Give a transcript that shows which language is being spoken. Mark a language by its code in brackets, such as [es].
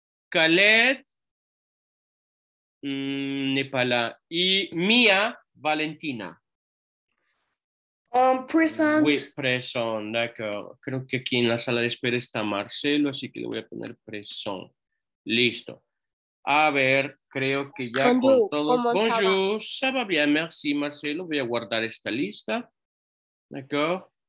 [es] Khaled. Nepala. Y Mia Valentina. [en] Present. [fr] Oui, present, d'accord. [es] Creo que aquí en la sala de espera está Marcelo, así que le voy a poner present. Listo. A ver, creo que ya con todos. [fr] Bonjour, ça va bien, merci Marcelo. [es] Voy a guardar esta lista. [fr] D'accord.